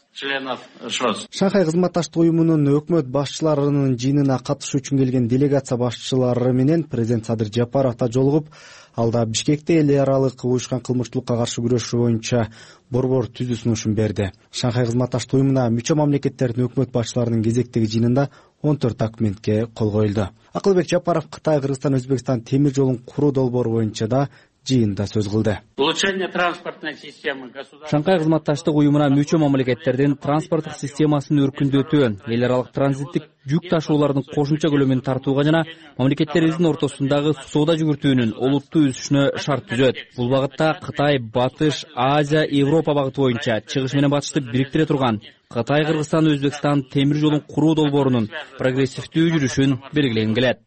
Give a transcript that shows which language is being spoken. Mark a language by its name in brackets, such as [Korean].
[Kyrgyz] Шанхай кызматташтык уюмунун өкмөт башчыларынын жыйынына катышуу үчүн келген делегация башчылары менен президент Садыр Жапаров да жолугуп, алда Бишкекте эл аралык уюшкан кылмыштуулукка каршы күрөшүү боюнча борбор түзүү сунушун берди. Шанхай кызматташтык уюмуна мүчө мамлекеттердин өкмөт башчыларынын кезектеги жыйынында 14 документке кол коюлду. Акылбек Жапаров Кытай, Кыргызстан, Өзбекстан темир жолун куруу долбоору боюнча да жыйында сөз кылды. [Russian] Улучшение транспортной системы государства. [Kyrgyz] Шанхай кызматташтык уюмуна мүчө мамлекеттердин транспорттук системасын өркүндөтүү, эл аралык транзиттик жүк ташуулардын кошумча көлөмүн тартууга жана мамлекеттерибиздин ортосундагы соода жүгүртүүнүн олуттуу өсүшүнө шарт түзөт. Бул багытта Кытай, Батыш, Азия, Европа багыты боюнча чыгыш менен батышты бириктире турган Кытай, Кыргызстан, Өзбекстан темир жолун куруу долбоорунун прогрессивдүү жүрүшүн белгилегим келет.